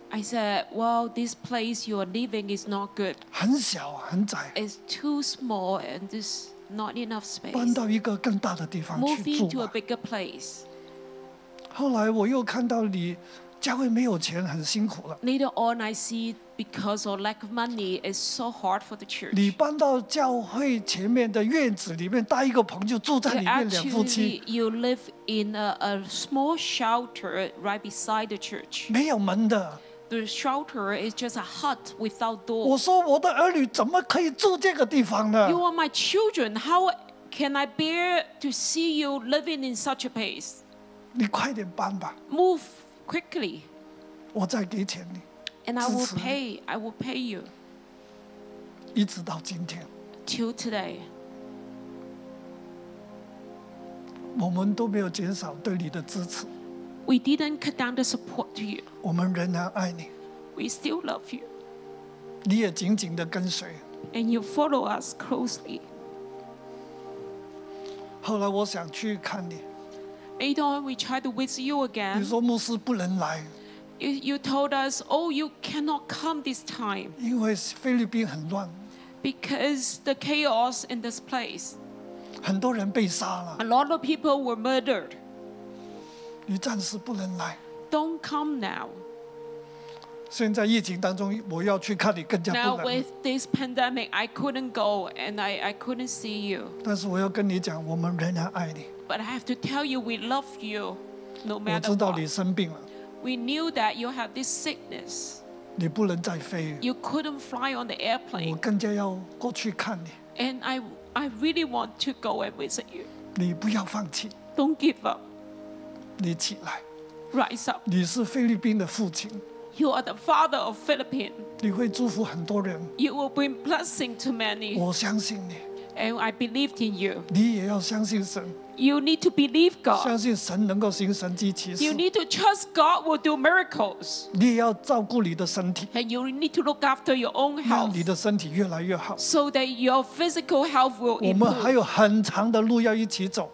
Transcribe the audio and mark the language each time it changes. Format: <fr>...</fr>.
<en>I said, "Well, this place you are living is not good."</en> <zh>很小很窄。</zh> <en>It's too small and this. Not enough space.</en> <zh>搬到一个更大的地方去住吧。</zh> <en>Moving to a bigger place.</en> <zh>后来我又看到你家里没有钱，很辛苦了。</zh> <en>Later on, I see because of lack of money, it's so hard for the church.</en> <zh>你搬到教会前面的院子里面搭一个棚，就住在里面两夫妻。</zh> <en>Actually, you live in a small shelter right beside the church.</en> <zh>没有门的。</zh> <en>The shelter is just a hut without door.</en> <zh>我说我的儿女怎么可以住这个地方呢？</zh> <en>You are my children. How can I bear to see you living in such a place?</en> <zh>你快点搬吧。</zh> <en>Move quickly.</en> <zh>我再给钱你。</zh> <en>And I will pay. I will pay you.</en> <zh>一直到今天。</zh> <en>Till today.</en> <zh>我们都没有减少对你的支持。</zh> <en>We didn't cut down the support to you.</en> <zh>我们仍然爱你。</zh> <en>We still love you.</en> <zh>你也紧紧地跟随。</zh> <en>And you follow us closely.</en> <zh>后来我想去看你。</zh> <en>Later on, we tried to visit you again.</en> <zh>你说牧师不能来。</zh> <en>You told us, oh, you cannot come this time.</en> <zh>因为菲律宾很乱。</zh> <en>Because the chaos in this place.</en> <zh>很多人被杀了。</zh> <en>A lot of people were murdered.</en> <zh>你暂时不能来。</zh> <en>Don't come now.</en> <zh>现在疫情当中，我要去看你更加不能。</zh> <en>Now with this pandemic, I couldn't go and I couldn't see you.</en> <zh>但是我要跟你讲，我们仍然爱你。</zh> <en>But I have to tell you, we love you, no matter what.</en> <zh>我知道你生病了。</zh> <en>We knew that you have this sickness.</en> <zh>你不能再飞。</zh> <en>You couldn't fly on the airplane.</en> <zh>我更加要过去看你。</zh> <en>And I really want to go and visit you.</en> <zh>你不要放弃。</zh> <en>Don't give up.</en> <zh>你起来</zh> <en>，Rise up！</en> <zh>你是菲律宾的父亲</zh> <en>，You are the father of Philippines。</en> <zh>你会祝福很多人</zh> <en>，You will bring blessing to many。</en> <zh>我相信你</zh> <en>，And I believe in you。</en> <zh>你也要相信神</zh> <en>，You need to believe God。</en> <zh>相信神能够行神迹奇事</zh> <en>，You need to trust God will do miracles。</en> <zh>你也要照顾你的身体</zh> <en>，And you need to look after your own health。</en> <zh>让你的身体越来越好</zh> <en>，So that your physical health will improve。</en> <zh>我们还有很长的路要一起走。</zh>